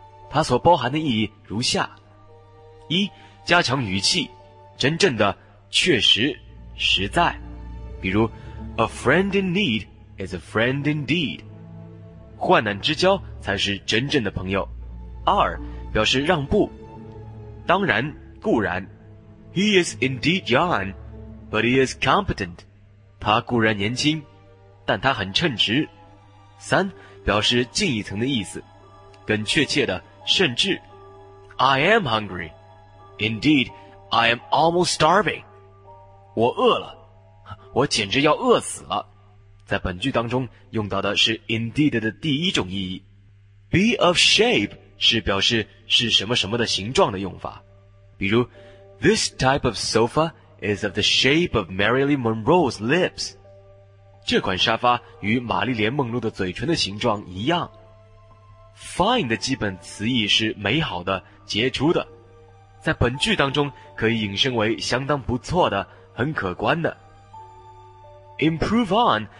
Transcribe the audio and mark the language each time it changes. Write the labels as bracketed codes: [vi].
[zh] 它所包含的意义如下：一、加强语气，真正的、确实、实在。比如 [en] ，A friend in need is a friend indeed。 [zh] 患难之交才是真正的朋友。二、表示让步，当然、固然。 [en] He is indeed young, but he is competent。 [zh] 他固然年轻，但他很称职。三、表示近一层的意思，更确切的，甚至。 [en] I am hungry. Indeed, I am almost starving. [zh] 我饿了，我简直要饿死了。在本句当中用到的是 indeed 的第一种意义。 [en] Be of shape [zh] 是表示是什么什么的形状的用法。比如 [en] This type of sofa is of the shape of Marilyn Monroe's lips. [zh] 这款沙发与玛丽莲梦露的嘴唇的形状一样。 Fine 的基本词义是美好的、杰出的，在本句当中可以引申为相当不错的、很可观的。 [en] Improve on